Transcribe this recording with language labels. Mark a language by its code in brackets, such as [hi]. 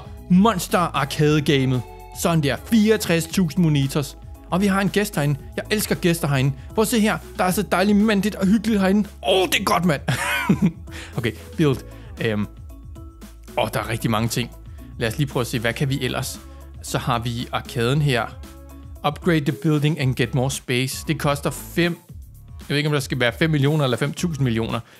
[da] Monster arcade gamet. Sådan der. 64.000 monitors. Og vi har en gæst herinde. Jeg elsker gæster herinde. Prøv at se her. Der er så dejligt mandigt og hyggeligt herinde. Åh, det er godt, mand. Okay, build. Og der er rigtig mange ting. Lad os lige prøve at se, hvad kan vi ellers? Så har vi arkaden her. [en] Upgrade the building and get more space. [da] Det koster 5... Jeg ved ikke, om der skal være 5 millioner eller 5.000 millioner.